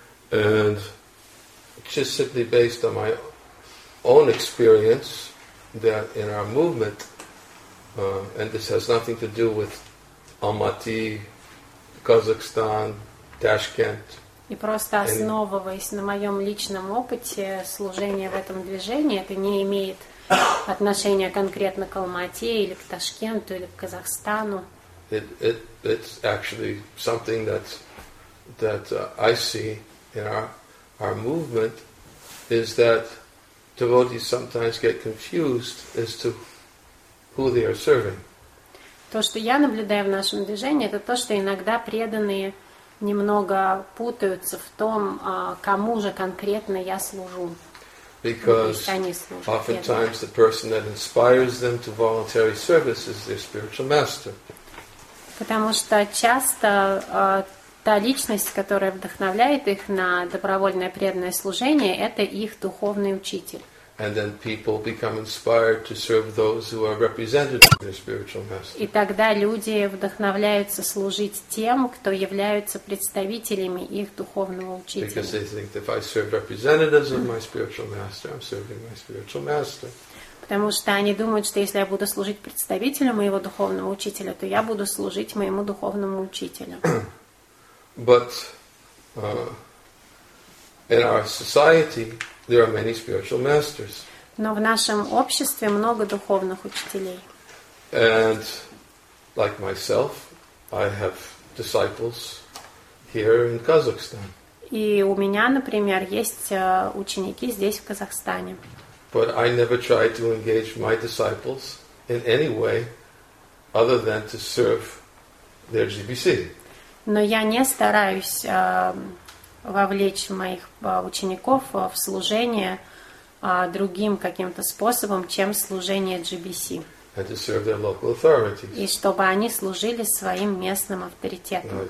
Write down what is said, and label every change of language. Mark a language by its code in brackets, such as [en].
[en] And just simply based on my own experience that in our movement, and this has nothing to do with Almaty, Kazakhstan, Tashkent. [ru] И просто основываясь на моем личном опыте служения в этом движении, это не имеет отношения конкретно к Алмате или к Ташкенту или к Казахстану. [en] It's actually something that I see in our movement is that devotees sometimes get confused as to who they are serving. [ru] То, что я наблюдаю в нашем движении, это то, что иногда преданные немного путаются в том, кому же конкретно я служу. [en] Because oftentimes the person that inspires them to voluntary service is their spiritual master. [ru] Потому что часто та личность, которая вдохновляет их на добровольное преданное служение, это их духовный учитель. [en] And then people become inspired to serve those who are represented in their spiritual master. [ru] И тогда люди вдохновляются служить тем, кто являются представителями их духовного учителя. [en] Because they think that if I serve representatives of my spiritual master, I'm serving my spiritual master. [ru] Потому что они думают, что если я буду служить представителю моего духовного учителя, то я буду служить моему духовному учителю. [en] But in our society, there are many spiritual masters. [ru] Но в нашем обществе много духовных учителей. [en] And like myself, I have disciples here in Kazakhstan. [ru] И у меня, например, есть ученики здесь, в Казахстане. [en] But I never tried to engage my disciples in any way other than to serve their GBC. [ru] Но я не стараюсь вовлечь моих учеников в служение другим каким-то способом, чем служение GBC. [en] And to serve their local authorities. [ru] И чтобы они служили своим местным авторитетом.